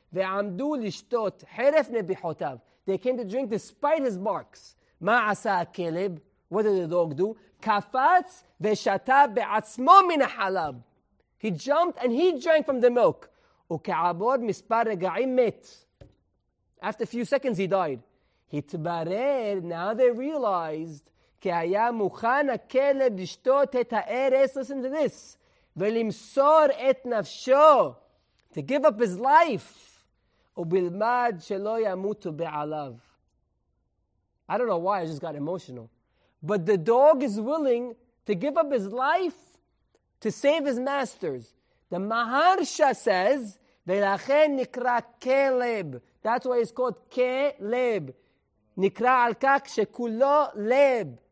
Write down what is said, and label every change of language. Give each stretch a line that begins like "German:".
Hebrew: Ve'amdu lishtot heref nebihotav,
English: they came to drink despite his barks.
Hebrew: Ma'asa akeleb,
English: what did the dog do?
Hebrew: Kafatz ve'shata be'atzmo min ha'halab,
English: he jumped and he drank from the milk.
Hebrew: וכעבור מספר רגעים מת.
English: After a few seconds, he died.
Hebrew: התברר,
English: now they realized,
Hebrew: כי היה מוכן הכלב לשתות את הארס,
English: listen to this,
Hebrew: ולמסור את נפשו,
English: to give up his life,
Hebrew: ובלמד שלא ימותו בעליו.
English: I don't know why, I just got emotional. But the dog is willing to give up his life to save his masters. The Maharsha says,
Hebrew: ולכן נקרא כלב.
English: That's why it's called
Hebrew: כלב. נקרא על כך שכולו לב.